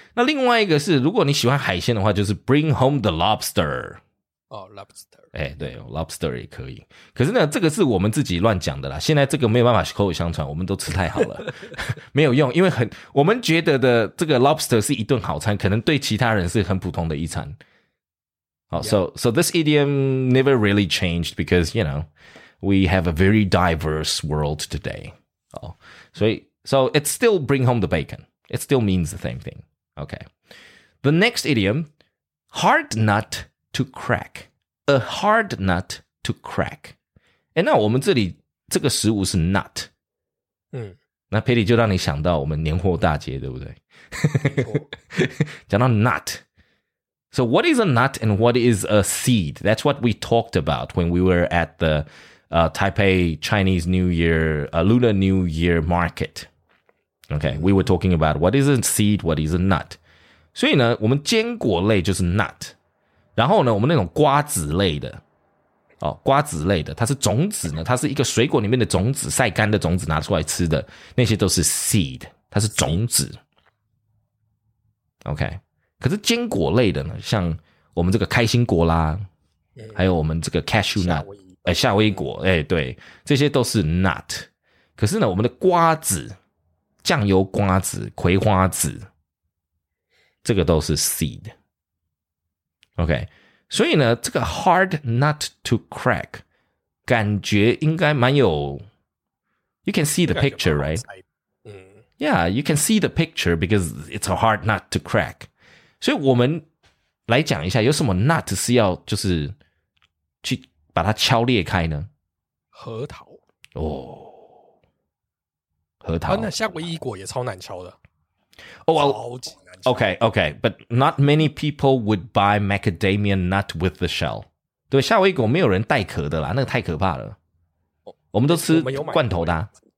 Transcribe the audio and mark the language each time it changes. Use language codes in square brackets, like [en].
[zh] 那另外一个是，如果你喜欢海鲜的话，就是 [en] bring home the lobster. [zh] 哦、 [en] oh, lobster. [zh] 哎，对 ，lobster 也可以。可是呢，这个是我们自己乱讲的啦。现在这个没有办法口口相传，我们都吃太好了，没有用。因为很，我们觉得的这个 lobster 是一顿好餐，可能对其他人是很普通的一餐。好、 [en] oh, yeah. ，so this idiom never really changed because you know we have a very diverse world today. [zh] 哦、 [en] oh, ， [zh] 所以 [en] so it still bring home the bacon. It still means the same thing. Okay. The next idiom, hard nut to crack. A hard nut to crack. [zh] 诶，那我们这里这个食物是 nut。嗯。那Patty就让你想到我们年货大街，对不对？讲到 nut。 [en] So what is a nut and what is a seed? That's what we talked about when we were at the Taipei Chinese New Year, Lunar New Year Market. Okay, we were talking about what is a seed, what is a nut. [zh] 所以呢，我们坚果类就是 nut. 然后呢，我们那种瓜子类的，哦，瓜子类的，它是种子呢，它是一个水果里面的种子，晒干的种子拿出来吃的，那些都是 seed, 它是种子。 Okay, 可是坚果类的呢，像我们这个开心果啦，还有我们这个 cashew nut, 夏威夷果，对，这些都是 nut. 可是呢，我们的瓜子酱油瓜子、葵花籽，这个都是 seed。 OK， 所以呢，这个 [en] hard nut to crack， [zh] 感觉应该蛮有。 [en] You can see the picture, right? Yeah, you can see the picture because it's a hard nut to crack. [zh] 所以我们来讲一下，有什么 nut 是要就是去把它敲裂开呢？核桃。哦。核桃、啊、那夏威夷果也超难敲的、 [en] oh, well, [zh] 超级难敲 [en] OK OK But not many people would buy macadamia nut with the shell [zh] 对夏威夷果没有人带壳的啦那个太可怕了、 [en] 哦、 [zh] 我们都吃罐头的、 [en] 啊、